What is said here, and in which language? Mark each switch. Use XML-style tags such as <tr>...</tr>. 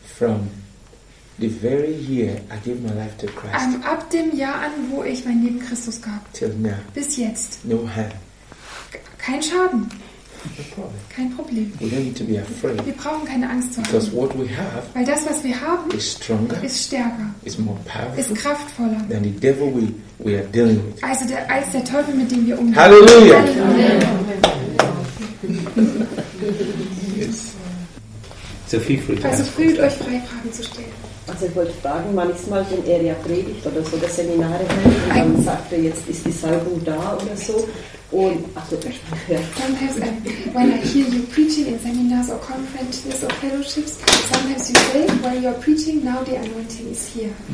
<en>From the very year I gave my life to Christ.</en> <de>Ab dem Jahr an, wo ich mein Leben Christus gab.</de> <en>Till now.</en> <de>Bis jetzt.</de> <en>No harm.</en> <de>Kein Schaden.</de> <en>Problem.</en> <de>Kein Problem.</de> <en>We don't need to be afraid.</en> <de>Wir brauchen keine Angst zu haben.</de> <en>Because what we have,</en> <de>weil das, was wir haben,</de> <en>is stronger,</en> <de>ist stärker,</de> <en>is more powerful,</en> <de>ist kraftvoller,</de> <en>than the devil we are dealing with.</en> <de>Also der, als der Teufel, mit dem wir umgehen. Halleluja! Halleluja. Also fühlt euch frei, Fragen zu stellen. Also ich wollte fragen, manchmal, wenn er ja predigt oder so, der Seminare hält, und dann sagt er, jetzt ist die Salbung da oder so. Und, ach so, der</de> <en>sometimes, when I hear you preaching in seminars or conferences or fellowships, sometimes you say, while you're preaching, now the anointing is here.</en>